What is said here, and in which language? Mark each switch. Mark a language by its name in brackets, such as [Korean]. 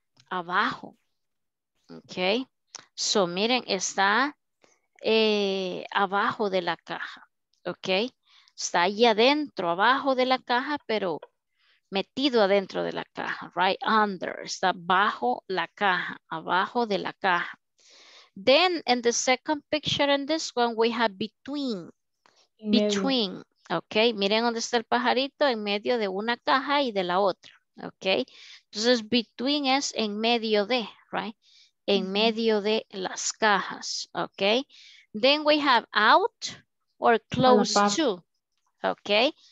[Spanish] Abajo. Okay. So, miren, está abajo de la caja. Okay. Está ahí adentro, abajo de la caja, pero metido adentro de la caja. [English] Right under. [Spanish] Está bajo la caja, abajo de la caja. [English] Then, in the second picture in this one, we have between. Between. Okay. [Spanish] Miren dónde está el pajarito, en medio de una caja y de la otra. Okay. Entonces, between es en medio de, right? En medio de las cajas. [English] Okay. Then we have out or close to. Okay.